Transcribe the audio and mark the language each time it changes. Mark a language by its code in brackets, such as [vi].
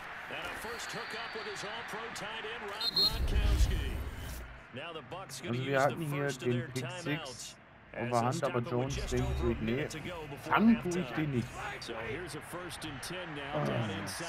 [en] And a first hook up with his all-pro tight end, Rob Gronkowski. Now the Bucks gonna use the first of their timeouts. [de] Overhand, aber Jones denkt sich, nee, fang tue ich den nicht. [en] So here's a first and 10 now down inside.